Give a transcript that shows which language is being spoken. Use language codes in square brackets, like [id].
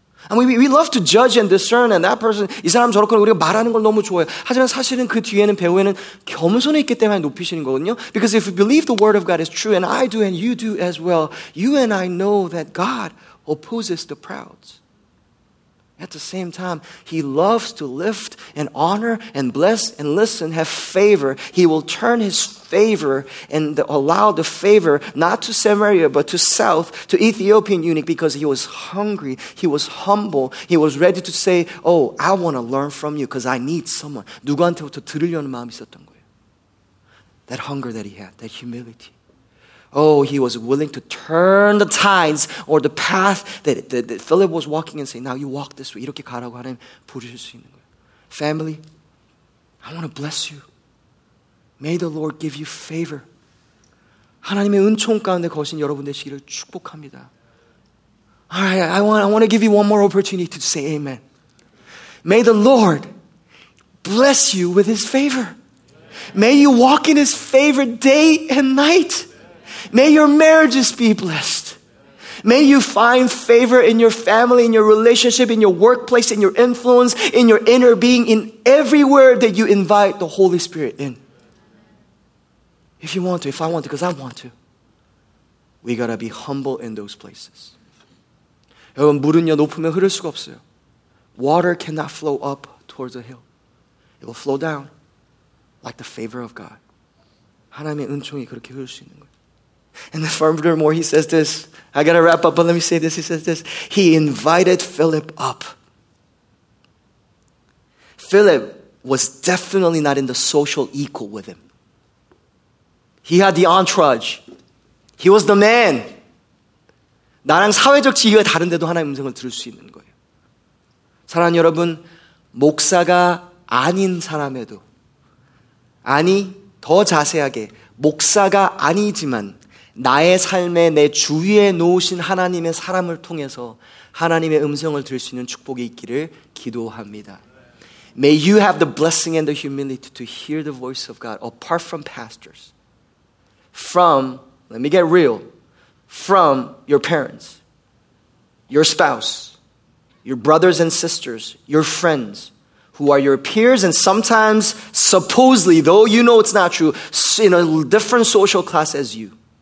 [en] And we love to judge and discern, and that person, [ko] 이 사람 저렇게 우리가 말하는 걸 너무 좋아해요. 하지만 사실은 그 뒤에는 배후에는 겸손에 있기 때문에 높이시는 거거든요. [en] Because if we believe the word of God is true, and I do and you do as well, you and I know that God opposes the proud. At the same time, he loves to lift and honor and bless and listen, have favor. He will turn his favor and allow the favor not to Samaria, but to south, to Ethiopian eunuch, because he was hungry. He was humble. He was ready to say, oh, I want to learn from you because I need someone. [ko] 누구한테부터 들으려는 마음이 있었던 거예요. [en] That hunger that he had, that humility. Oh, he was willing to turn the tides or the path that Philip was walking and say, now you walk this way. [ko] 이렇게 가라고 하나님 부르실 수 있는 거예요. [en] Family, I want to bless you. May the Lord give you favor. [ko] 하나님의 은총 가운데 거신 여러분 되시기를 축복합니다. [en] All right, I want to give you one more opportunity to say amen. May the Lord bless you with his favor. May you walk in his favor day and night. May your marriages be blessed. May you find favor in your family, in your relationship, in your workplace, in your influence, in your inner being, in everywhere that you invite the Holy Spirit in. If you want to, if I want to, because I want to. We gotta be humble in those places. [ko] 여러분, 물은요, 높으면 흐를 수가 없어요. [en] Water cannot flow up towards a hill. It will flow down like the favor of God. [ko] 하나님의 은총이 그렇게 흐를 수 있는 거예요. [en] And furthermore, he says this. I got to wrap up, but let me say this. He says this. He invited Philip up. Philip was definitely not in the social equal with him. He had the entourage. He was the man. [ko] 나랑 사회적 지위가 다른데도 하나님의 음성을 들을 수 있는 거예요. 사랑하는 여러분, 목사가 아닌 사람에도, 아니, 더 자세하게 목사가 아니지만 나의 삶에 내 주위에 놓으신 하나님의 사람을 통해서 하나님의 음성을 들을 수 있는 축복이 있기를 기도합니다. [en] May you have the blessing and the humility to hear the voice of God apart from pastors. From, let me get real, from your parents, your spouse, your brothers and sisters, your friends, who are your peers, and sometimes, supposedly, though you know it's not true, in a different social class as you.